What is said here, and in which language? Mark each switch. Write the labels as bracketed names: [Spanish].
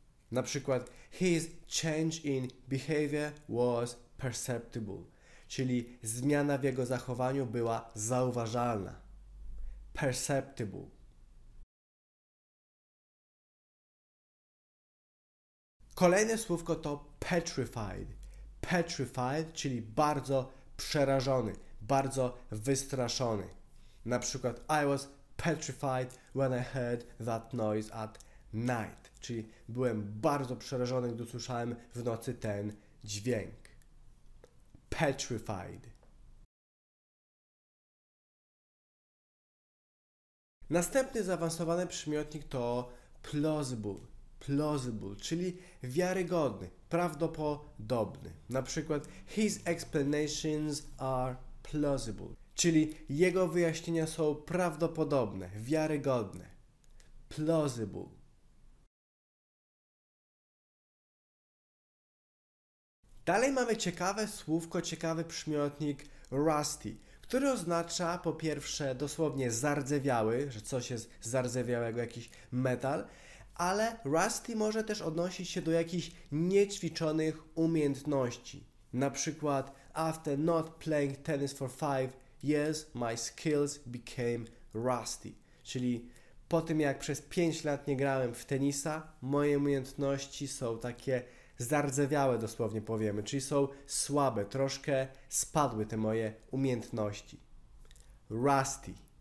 [Polish] Na przykład [English] his change in behavior was perceptible, [Polish] czyli zmiana w jego zachowaniu była zauważalna. Perceptible. Kolejne słówko to petrified, petrified, czyli bardzo przerażony. Bardzo wystraszony. Na przykład [English] I was petrified when I heard that noise at night. [Polish] Czyli byłem bardzo przerażony, gdy usłyszałem w nocy ten dźwięk. Petrified. Następny zaawansowany przymiotnik to plausible. Plausible, czyli wiarygodny, prawdopodobny. Na przykład [English] his explanations are plausible, [Polish] czyli jego wyjaśnienia są prawdopodobne, wiarygodne. Plausible. Dalej mamy ciekawe słówko, ciekawy przymiotnik rusty, który oznacza po pierwsze dosłownie zardzewiały, że coś jest zardzewiałego, jakiś metal, ale rusty może też odnosić się do jakichś niećwiczonych umiejętności. Na przykład [English] after not playing tennis for 5 years, my skills became rusty. [Polish] Czyli po tym, jak przez 5 lat nie grałem w tenisa, moje umiejętności są takie zardzewiałe, dosłownie powiemy. Czyli są słabe, troszkę spadły te moje umiejętności. Rusty.